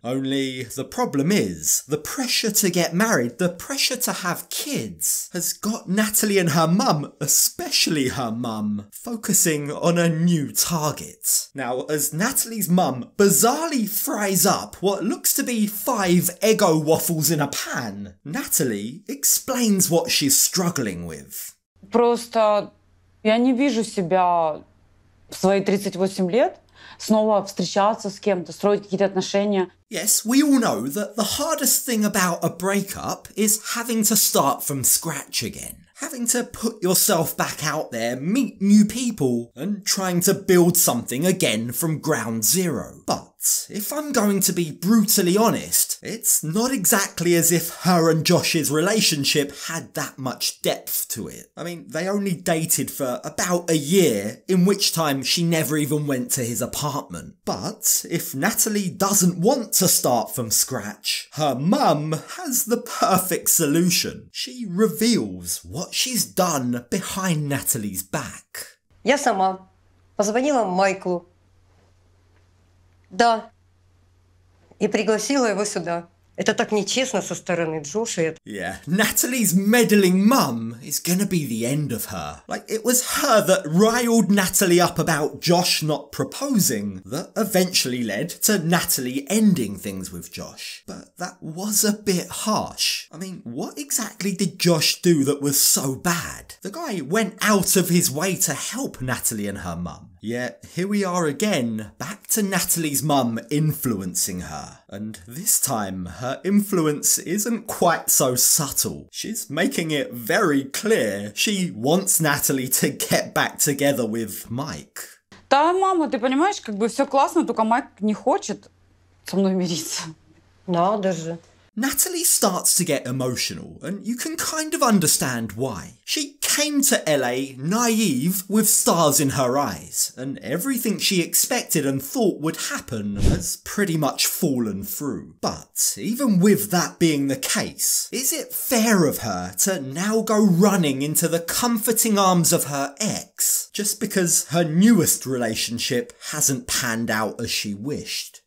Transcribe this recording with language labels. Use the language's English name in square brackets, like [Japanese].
[English] Only the problem is, the pressure to get married, the pressure to have kids, has got Natalie and her mum, especially her mum, focusing on a new target. Now, as Natalie's mum bizarrely fries up what looks to be 5 Eggo waffles in a pan, Natalie explains what she's struggling with. [Russian] Просто я не вижу себя в свои 38 лет снова встречаться с кем-то, строить какие-то отношения. [English] Yes, we all know that the hardest thing about a breakup is having to start from scratch again. Having to put yourself back out there, meet new people, and trying to build something again from ground zero. But if I'm going to be brutally honest, it's not exactly as if her and Josh's relationship had that much depth to it. I mean, they only dated for about a year, in which time she never even went to his apartment. But if Natalie doesn't want to start from scratch, her mum has the perfect solution. She reveals what she's done behind Natalie's back. [Russian] Я сама позвонила Майклу. Да. И пригласила его сюда. Это так нечестно со стороны Джоши. [English] Yeah, Natalie's meddling mum is gonna be the end of her. Like, it was her that riled Natalie up about Josh not proposing that eventually led to Natalie ending things with Josh. But that was a bit harsh. I mean, what exactly did Josh do that was so bad? The guy went out of his way to help Natalie and her mum. Yet, here we are again, back to Natalie's mum influencing her. And this time, her influence isn't quite so subtle. She's making it very clear she wants Natalie to get back together with Mike. [Russian] Да, мама, ты понимаешь, как бы все классно, только Майк не хочет со мной мириться. Надо же. [English] Natalie starts to get emotional, and you can kind of understand why. She came to LA naive with stars in her eyes, and everything she expected and thought would happen has pretty much fallen through. But even with that being the case, is it fair of her to now go running into the comforting arms of her ex just because her newest relationship hasn't panned out as she wished?